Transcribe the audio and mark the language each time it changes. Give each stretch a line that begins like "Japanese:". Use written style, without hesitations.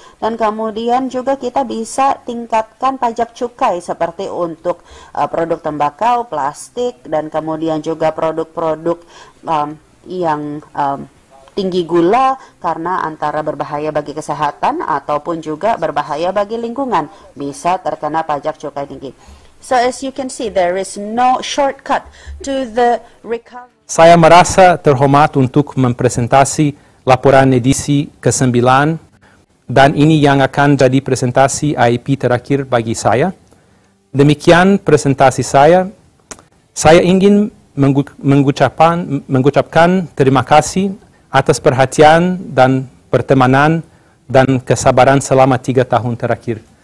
Indonesian: Dan kemudian juga kita bisa tingkatkan pajak cukai seperti untuk produk tembakau, plastik, dan kemudian juga produk-produk yang tinggi gula karena antara berbahaya bagi kesehatan ataupun juga berbahaya bagi lingkungan bisa terkena pajak cukai tinggi.
English: So as you can see, there is no shortcut to the recovery.
Indonesian: Saya merasa terhormat untuk mempresentasi laporan edisi ke-9 dan ini yang akan jadi presentasi AIP terakhir bagi saya. Demikian presentasi saya. Saya ingin mengucapkan terima kasih atas perhatian dan pertemanan dan kesabaran selama 3 tahun terakhir.